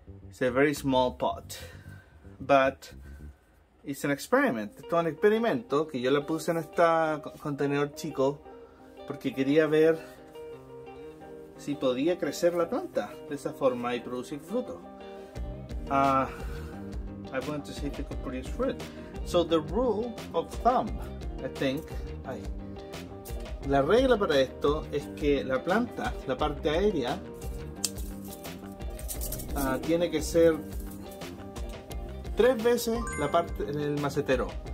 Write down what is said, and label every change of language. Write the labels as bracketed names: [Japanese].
[English] It's a very small pot, but it's an experiment. [Spanish] Esto es un experimento que yo le puse en este contenedor chico porque quería ver si podía crecer la planta de esa forma y producir fruto. [English] I wanted to see if it could produce fruit. So the rule of thumb, I think, [Spanish] la regla para esto es que la planta, la parte aérea, tiene que ser tres veces la parte en el macetero.